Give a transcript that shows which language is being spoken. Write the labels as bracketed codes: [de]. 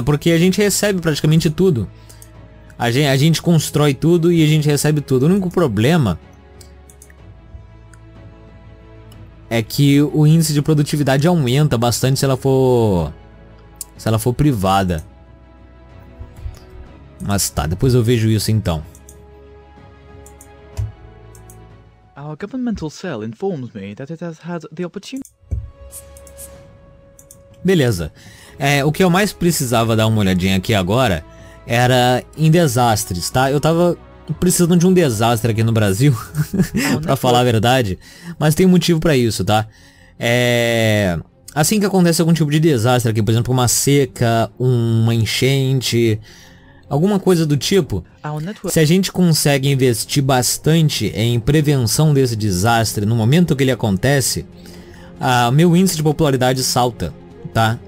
[pt] Porque a gente recebe praticamente tudo. A gente constrói tudo e a gente recebe tudo. O único problema é que o índice de produtividade aumenta bastante se ela for... se ela for privada. Mas tá, depois eu vejo isso então. [en] Our governmental cell informs me that it has had the opportunity. [pt] Beleza. É, o que eu mais precisava dar uma olhadinha aqui agora era em desastres, tá? Eu tava precisando de um desastre aqui no Brasil, pra falar a verdade, mas tem motivo pra isso, tá? É, assim que acontece algum tipo de desastre aqui, por exemplo, uma seca, uma enchente, alguma coisa do tipo, se a gente consegue investir bastante em prevenção desse desastre no momento que ele acontece, meu índice de popularidade salta, tá?